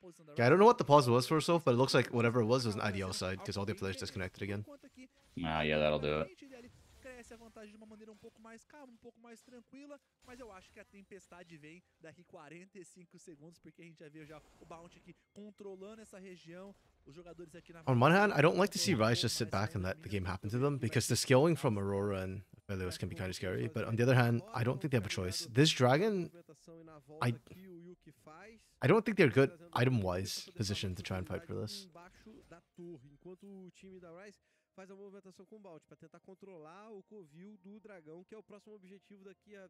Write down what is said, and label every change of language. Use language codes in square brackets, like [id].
[en] Okay, I don't know what the pause was for Soph, but it looks like whatever it was an IDL side, because all their players disconnected again. Ah, yeah, that'll do it. [pt] De uma maneira um pouco mais calma, um pouco mais tranquila, mas eu acho que a tempestade vem daqui 45 segundos, porque a gente já viu já o Bounty aqui controlando essa região, os jogadores aqui na... [en] On one hand, I don't like to see Ryze just sit back and let the game happen to them, because the scaling from Aurora and Velios can be kind of scary, but on the other hand, I don't think they have a choice. This Dragon, I don't think they're good item-wise positioned to try and fight for this. [pt] Enquanto o time da Ryze... faz a movimentação com o Balt para tentar controlar o covil do dragão, que é o próximo objetivo daqui a...